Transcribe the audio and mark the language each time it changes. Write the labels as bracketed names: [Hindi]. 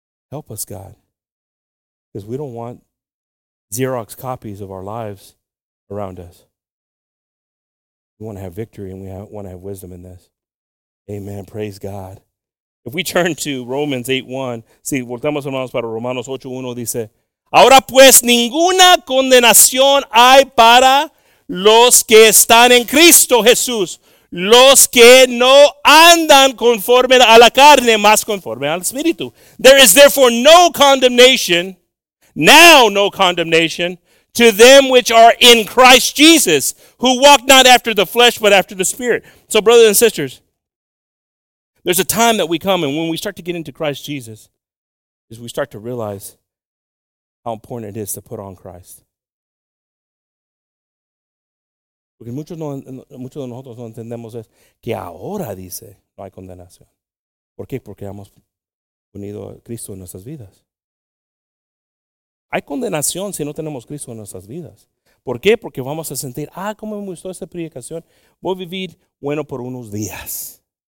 [English] Help us, God, because we don't want Xerox copies of our lives around us. We want to have victory, and we want to have wisdom in this. Amen. Praise God. If we turn to Romans 8:1, [Spanish] si voltamos hermanos para Romanos 8:1, dice, ahora pues ninguna condenación hay para los que están en Cristo Jesús, los que no andan conforme a la carne, más conforme al Espíritu. [English] There is therefore no condemnation, now no condemnation, to them which are in Christ Jesus, who walk not after the flesh, but after the Spirit. So brothers and sisters, there's a time that we come, and when we start to get into Christ Jesus, is we start to realize how important it is to put on Christ. [Spanish] Porque muchos de nosotros no entendemos es que ahora dice no hay condenación. ¿Por qué? Porque hemos unido a Cristo en nuestras vidas. Hay condenación si no tenemos Cristo en nuestras vidas. ¿Por qué? Porque vamos a sentir, ah, cómo me gustó esta predicación. Voy a vivir bueno por unos días.